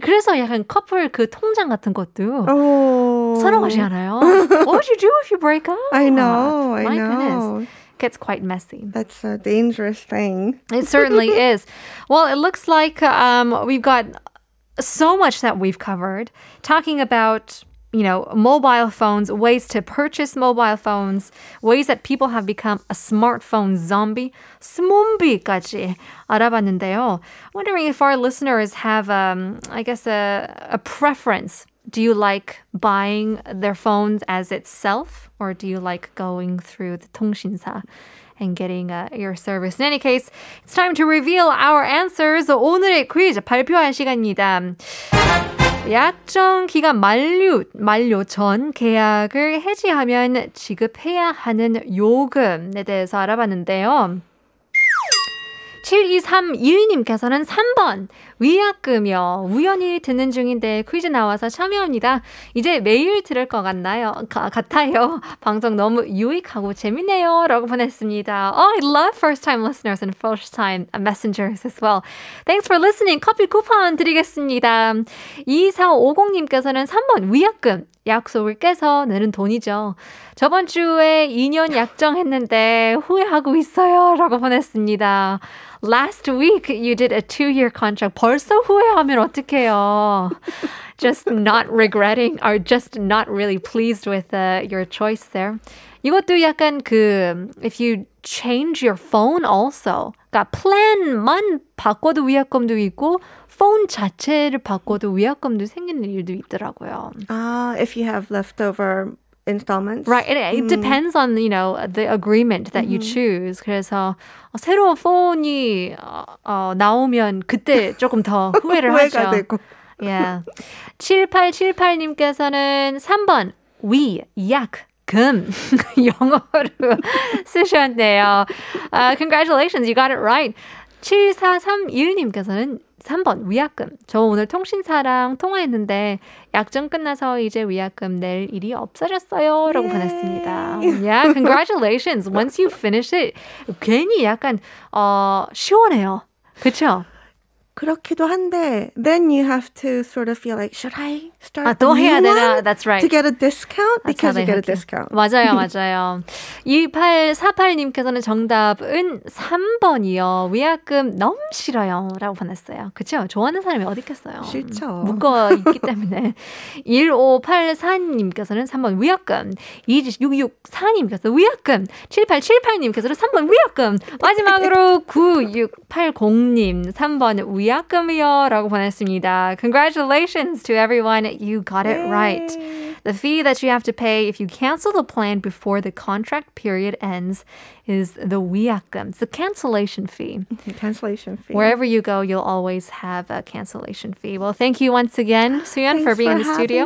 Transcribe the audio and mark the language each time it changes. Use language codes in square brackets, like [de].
[ko] 그래서 약간 커플 그 통장 같은 것도 선호하지 않아요? [en] What would you do if you break up? I know, I know. Goodness. Gets quite messy. That's a dangerous thing. It certainly is. Well, it looks like we've got so much that we've covered. Talking about, you know, mobile phones, ways to purchase mobile phones, ways that people have become a smartphone zombie. [ko] 스몬비까지 알아봤는데요. [en] Wondering if our listeners have, I guess, a preference. Do you like buying their phones as itself? Or do you like going through the [ko] 통신사 [en] and getting your service? In any case, it's time to reveal our answers. [ko] 오늘의 퀴즈 발표할 시간입니다. 약정 기간 만료 전 계약을 해지하면 지급해야 하는 요금에 대해서 알아봤는데요. 7231님께서는 3번 위약금이요. 우연히 듣는 중인데 퀴즈 나와서 참여합니다. 이제 매일 들을 것 같나요? 같아요. 방송 너무 유익하고 재밌네요. 라고 보냈습니다. [en] Oh, I love first-time listeners and first-time messengers as well. Thanks for listening. [ko] 커피 쿠폰 드리겠습니다. 2450님께서는 3번 위약금. 약속을 깨서 내는 돈이죠. 저번 주에 2년 약정했는데 후회하고 있어요. [en] 라고 보냈습니다. Last week, you did a 2-year contract. [ko] 벌써 후회하면 어떡해요? [en] Just not regretting or just not really pleased with your choice there. [ko] 이것도 약간 그, [en] if you change your phone also. [ko] 그러니까 plan만 바꿔도 위약금도 있고, phone 자체를 바꿔도 위약금도 생기는 일도 있더라고요. [en] If you have leftover installments. Right, it depends on, you know, the agreement that mm-hmm. you choose. [ko] 그래서 새로운 폰이 나오면 그때 조금 더 후회를 후회가 하죠. 되고. [en] Yeah. [ko] 7878님께서는 3번 위, 약, 금 영어로 쓰셨네요. [en] Congratulations, you got it right. [ko] 7431님께서는 3번 위약금. 저 오늘 통신사랑 통화했는데 약정 끝나서 이제 위약금 낼 일이 없어졌어요. 라고 보냈습니다. [en] Yeah, congratulations. Once you finish it, [ko] 괜히 약간 시원해요. 그쵸? 그렇기도 한데 [en] then you have to sort of feel like should I start [ko] 아, 또 해야 되나? [en] That's right. To get a discount because you get a discount. [ko] 맞아요. 맞아요. 2848님께서는 정답은 3번이요. 위약금 너무 싫어요. 라고 보냈어요. 그렇죠? 좋아하는 사람이 어디 있겠어요? 싫죠. 묶어 있기 때문에. 1584님께서는 3번 위약금. 2664님께서 위약금. 7878님께서는 3번 위약금. 마지막으로 9680님 3번 위약금. 위약금이요 라고 보냈습니다. [en] Congratulations to everyone. You got Yay. It right. The fee that you have to pay if you cancel the plan before the contract period ends is the 위약금. It's the cancellation fee. Cancellation fee. Wherever you go, you'll always have a cancellation fee. Well, thank you once again, Suyeon, for being in the studio.